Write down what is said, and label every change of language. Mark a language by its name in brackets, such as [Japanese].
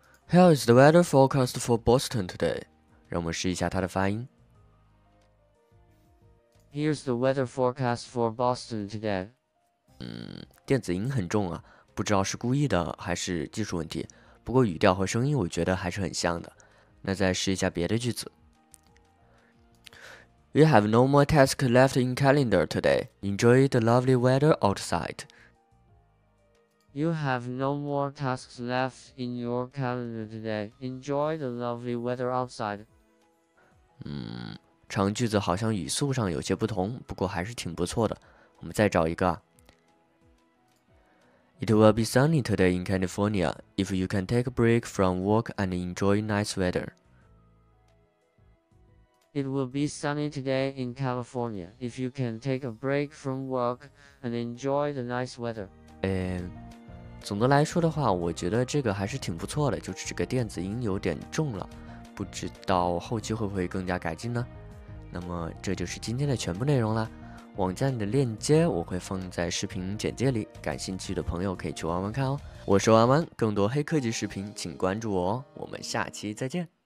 [English] How is the weather forecast for Boston today? [Chinese] 让我们试一下它的发音。 [English] Here's the weather forecast for Boston today. [Chinese] 电子音很重啊，不知道是故意的还是技术问题。不过语调和声音我觉得还是很像的。那再试一下别的句子。 [English] We have no more tasks left in calendar today. Enjoy the lovely weather outside. You have no more tasks left in your calendar today. Enjoy the lovely weather outside. [Chinese] 长句子好像语速上有些不同，不过还是挺不错的。我们再找一个。 [English] It will be sunny today in California if you can take a break from work and enjoy nice weather. It will be sunny today in California if you can take a break from work and enjoy the nice weather. [Chinese] 总的来说的话，我觉得这个还是挺不错的，就是这个电子音有点重了，不知道后期会不会更加改进呢？那么这就是今天的全部内容了，网站的链接我会放在视频简介里，感兴趣的朋友可以去玩玩看哦。我是玩玩，更多黑科技视频请关注我哦，我们下期再见。